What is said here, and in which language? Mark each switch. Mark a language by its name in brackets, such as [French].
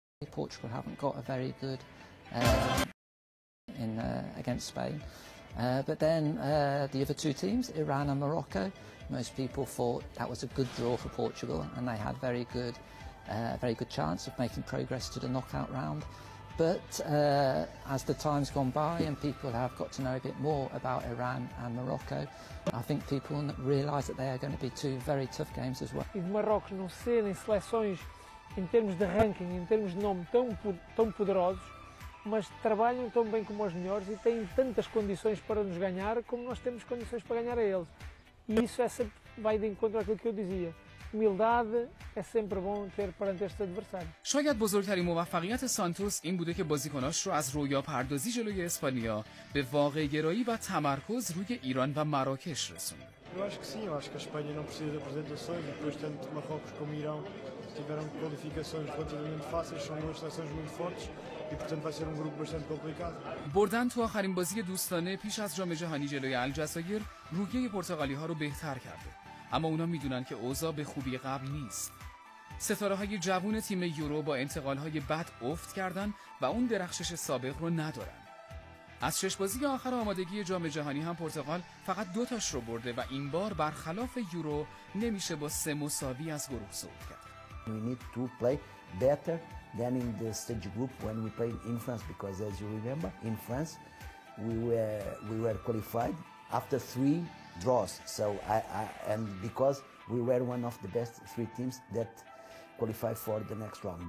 [English] Portugal haven't got a very good in against Spain, but then the other two teams, Iran and Morocco, most people thought that was a good draw for Portugal, and they had very good chance of making progress to the knockout round. But as the time's gone by and people have got to know a bit more about Iran and Morocco, I think people realise that they are going to be two very tough games as well. [Portuguese] If Morocco não serem seleções em termos de ranking, em termos de nome, tão poderosos, mas trabalham tão bem como os melhores e têm tantas condições para nos ganhar como nós temos condições para ganhar a eles. E isso é sempre, vai de encontro àquilo que eu dizia. Humildade é sempre bom ter perante este adversário. [Persian] شاید بزرگترین موفقیت سانتوس این بوده که بازیکناش رو از رویا پردازی جلوی اسپانیا به واقع‌گرایی و تمرکز روی ایران و مراکش رسوند. [Portuguese] Eu acho que sim, eu acho que a Espanha não precisa de apresentações, depois tanto Marrocos como Irão tiveram qualificações relativamente fáceis, são duas seleções muito fortes. [Persian] بردن تو آخرین بازی دوستانه پیش از جام جهانی جلوی الجزایر روحیه پرتغالی‌ها رو بهتر کرده، اما اونا میدونن که اوضاع به خوبی قبل نیست. ستاره‌های جوان تیم یورو با انتقال‌های بد افت کردن و اون درخشش سابق رو ندارن. از 6 بازی آخر آمادگی جام جهانی هم پرتغال فقط 2 تاش رو برده و این بار برخلاف یورو نمیشه با 3 مساوی از گروه صعود کرد. [English] We need to play better than in the stage group when we played in France, because as you remember, in France we were qualified after 3 draws. So and because we were one of the best 3 teams that qualified for the next round.